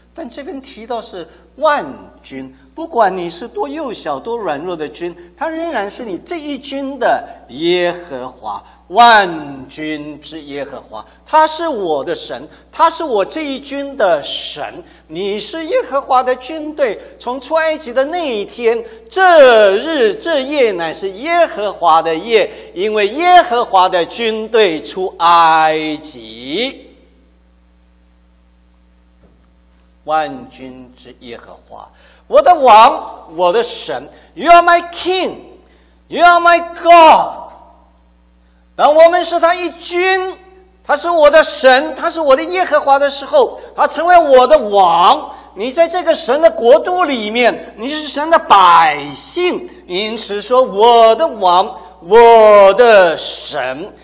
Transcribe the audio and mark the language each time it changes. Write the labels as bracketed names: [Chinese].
[Chinese] 但这边提到是万军，不管你是多幼小多软弱的军，他仍然是你这一军的耶和华，万军之耶和华，他是我的神，他是我这一军的神。你是耶和华的军队，从出埃及的那一天，这日这夜乃是耶和华的夜，因为耶和华的军队出埃及。万军之耶和华，我的王，我的神， [English] You are my king, You are my God。 [Chinese] 当我们是他一军，他是我的神，他是我的耶和华的时候，他成为我的王。你在这个神的国度里面，你是神的百姓，因此说我的王，我的神。